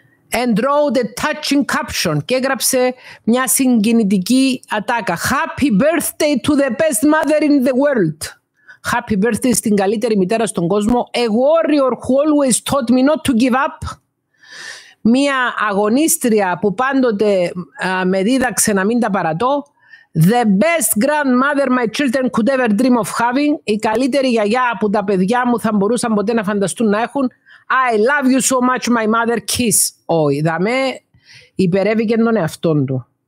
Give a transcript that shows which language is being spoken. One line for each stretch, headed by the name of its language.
English: And wrote a touching caption.
Greek: Και έγραψε μια συγκινητική ατάκα.
English: Happy birthday to the best mother in the world. Happy birthday
Greek: στην καλύτερη μητέρα στον κόσμο.
English: A warrior who always taught me not to give up.
Greek: Μια αγωνίστρια που πάντοτε με δίδαξε να μην τα παρατώ.
English: The best grandmother my children could ever dream of having.
Greek: Η καλύτερη γιαγιά που τα παιδιά μου θα μπορούσαν ποτέ να φανταστούν να έχουν.
English: I love you so much, my mother. Kiss.
Greek: Όχι, δαμέ, υπερεύηκε τον εαυτόν του.